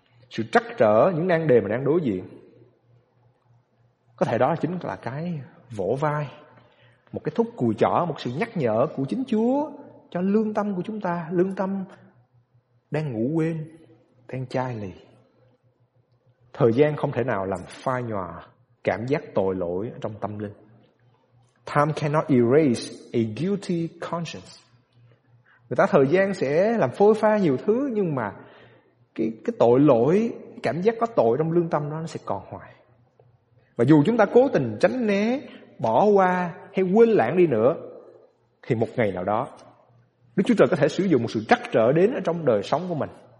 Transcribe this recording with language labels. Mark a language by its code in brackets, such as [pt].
[vi] sự trắc trở, những nan đề mà đang đối diện. Có thể đó chính là cái vỗ vai, một cái thúc cùi chỏ, một sự nhắc nhở của chính Chúa cho lương tâm của chúng ta, lương tâm đang ngủ quên, đang chai lì. Thời gian không thể nào làm phai nhòa cảm giác tội lỗi trong tâm linh. [en] Time cannot erase a guilty conscience. [vi] Người ta thời gian sẽ làm phôi pha nhiều thứ, nhưng mà cái tội lỗi, cảm giác có tội trong lương tâm đó, nó sẽ còn hoài. Và dù chúng ta cố tình tránh né, bỏ qua hay quên lãng đi nữa, thì một ngày nào đó Đức Chúa Trời có thể sử dụng một sự trắc trở đến ở trong đời sống của mình.